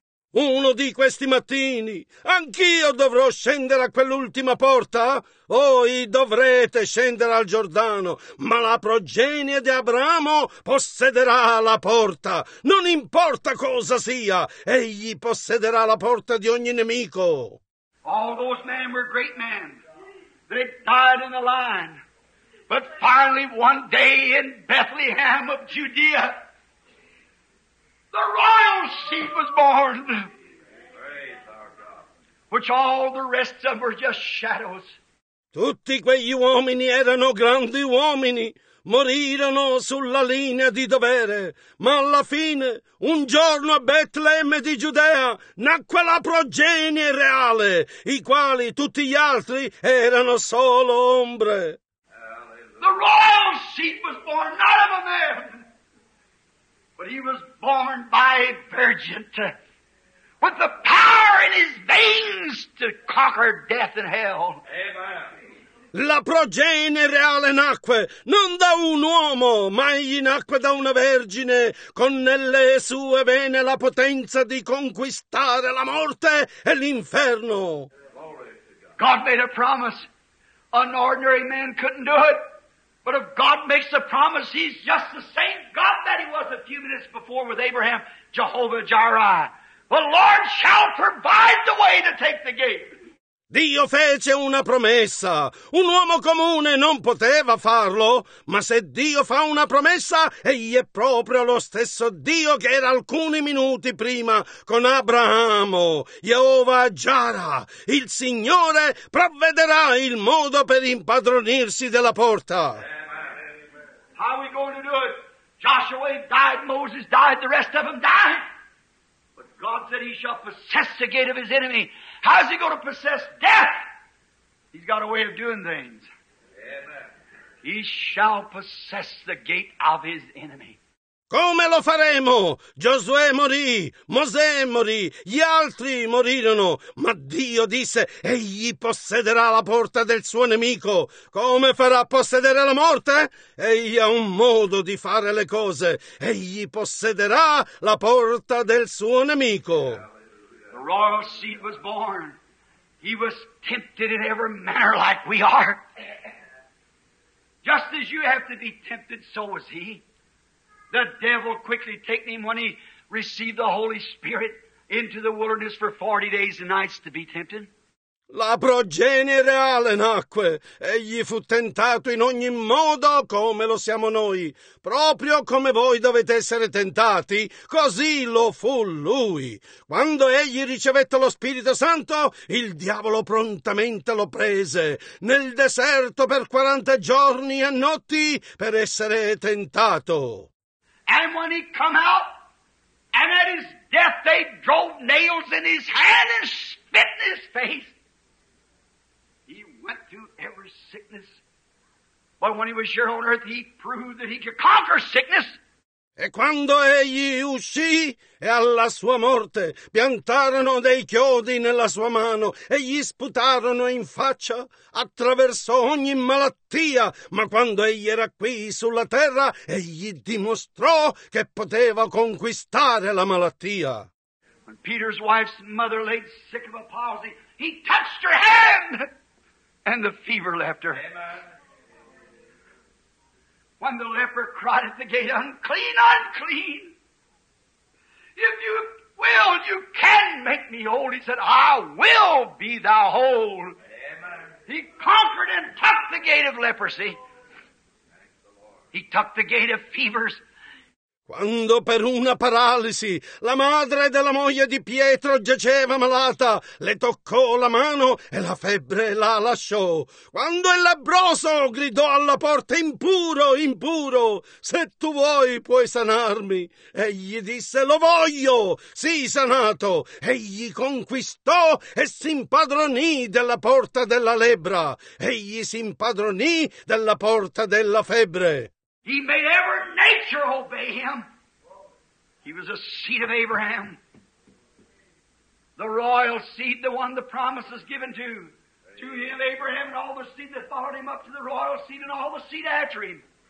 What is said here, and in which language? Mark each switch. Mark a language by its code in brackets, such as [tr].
[it] Uno di questi mattini, anch'io dovrò scendere a quell'ultima porta? Voi dovrete scendere al Giordano, ma la progenie di Abramo possederà la porta. Non importa cosa sia, egli possederà la porta di ogni nemico. [en] All those men were great men. They died in the line. But finally one day in Bethlehem of Judea, the royal seed was born. Praise our God. Which all the rest of them were just shadows. [it] Tutti quegli uomini erano grandi uomini. Morirono sulla linea di dovere, ma alla fine, un giorno a Betlemme di Giudea, nacque la progenie reale, i quali tutti gli altri erano solo ombre. [en] The royal seed was born not of a man, but he was born by a virgin, with the power in his veins to conquer death and hell. Amen. [it] La progenie reale nacque non da un uomo, ma egli nacque da una vergine con nelle sue vene la potenza di conquistare la morte e l'inferno. [en] God made a promise. An ordinary man couldn't do it. But if God makes a promise, he's just the same God that he was a few minutes before with Abraham, Jehovah Jireh. The Lord shall provide the way to take the gate. [it] Dio fece una promessa. Un uomo comune non poteva farlo, ma se Dio fa una promessa, egli è proprio lo stesso Dio che era alcuni minuti prima con Abramo, Jehovah Jireh. Il Signore provvederà il modo per impadronirsi della porta. [en] How are we going to do it? Joshua died, Moses died, the rest of them died. But God said he shall possess the gate of his enemy. How is he going to possess death? He's got a way of doing things. Amen. He shall possess the gate of his enemy. [it] Come lo faremo? Giosuè morì, Mosè morì, gli altri morirono, ma Dio disse, egli possederà la porta del suo nemico. Come farà a possedere la morte? Egli ha un modo di fare le cose. Egli possederà la porta del suo nemico. [en] The royal seed was born. He was tempted in every manner like we are. Just as you have to be tempted, so was he. The devil quickly taken him when he received the Holy Spirit into the wilderness for 40 days and nights to be tempted. [it] La progenie reale nacque. Egli fu tentato in ogni modo come lo siamo noi. Proprio come voi dovete essere tentati, così lo fu lui. Quando egli ricevette lo Spirito Santo, il diavolo prontamente lo prese nel deserto per 40 giorni e notti per essere tentato. [en] And when he come out, and at his death they drove nails in his hand and spit in his face. Went through every sickness. But when he was here on earth, he proved that he could conquer sickness. [it] E quando egli uscì, e alla sua morte, piantarono dei chiodi nella sua mano, e gli sputarono in faccia, attraversò ogni malattia. Ma quando egli era qui sulla terra, egli dimostrò che poteva conquistare la malattia. [en] When Peter's wife's mother laid sick of a palsy, he touched her hand! And the fever left her. Amen. When the leper cried at the gate, unclean, unclean. If you will, you can make me whole. He said, I will be thou whole. Amen. He conquered and tucked the gate of leprosy. He tucked the gate of fevers. [it] Quando per una paralisi la madre della moglie di Pietro giaceva malata, le toccò la mano e la febbre la lasciò. Quando il lebbroso gridò alla porta, impuro, impuro, se tu vuoi puoi sanarmi. Egli disse, lo voglio, sii sanato. Egli conquistò e si impadronì della porta della lebbra. Egli si impadronì della porta della febbre. [en] He made every nature obey him. He was a seed of Abraham. The royal seed, the one the promise is given to. To him, Abraham, and all the seed that followed him up to the royal seed and all the seed after him.